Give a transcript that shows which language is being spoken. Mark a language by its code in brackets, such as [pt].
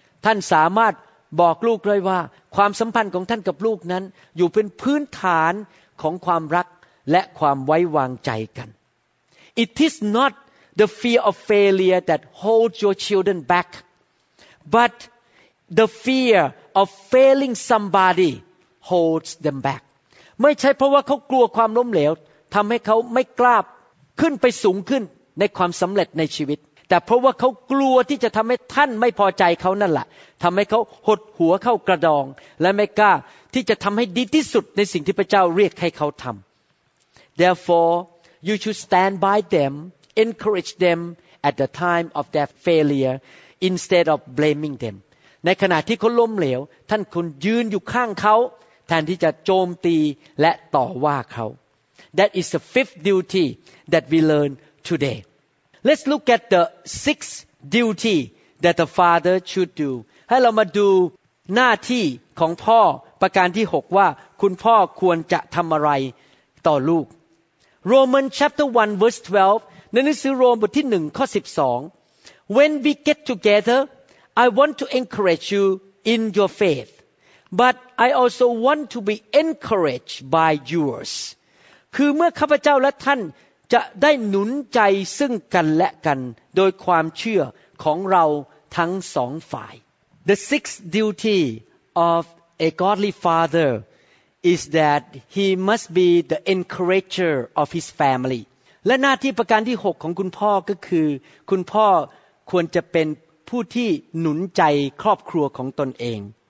[th] ท่านสามารถบอกลูกเลยว่าความสัมพันธ์ของท่านกับลูกนั้นอยู่เป็นพื้นฐานของความรักและความไว้วางใจกัน [en] It is notThe fear of failure that holds your children back, but the fear of failing somebody holds them back. [th] ไม่ใช่เพราะว่าเขากลัวความล้มเหลวทำให้เขาไม่กล้าขึ้นไปสูงขึ้นในความสำเร็จในชีวิตแต่เพราะว่าเขากลัวที่จะทำให้ท่านไม่พอใจเขานั่นแหละทำให้เขาหดหัวเข้ากระดองและไม่กล้าที่จะทำให้ดีที่สุดในสิ่งที่พระเจ้าเรียกให้เขาทำ [en] Therefore, you should stand by them. Encourage them at the time of their failure instead of blaming them. [th] ในขณะที่เขาล้มเหลวท่านควรยืนอยู่ข้างเขาแทนที่จะโจมตีและต่อว่าเขา [en] That is the fifth duty that we learn today. Let's look at the sixth duty that the father should do. [th] ให้เรามาดูหน้าที่ของพ่อประการที่6ว่าคุณพ่อควรจะทำอะไรต่อลูก [en] Romans chapter 1 verse 12 [th] ในหนังสือโรมบทที่1ข้อ12 [en] When we get together I want to encourage you in your faith but I also want to be encouraged by yours [th] คือเมื่อข้าพเจ้าและท่าน จะได้หนุนใจซึ่งกันและกันโดยความเชื่อของเราทั้งสองฝ่าย [en] The sixth duty of a godly father is that he must be the encourager of his family [th] และหน้าที่ประการที่6ของคุณพ่อก็คือคุณพ่อควรจะเป็นผู้ที่หนุนใจครอบครัวของตนเอง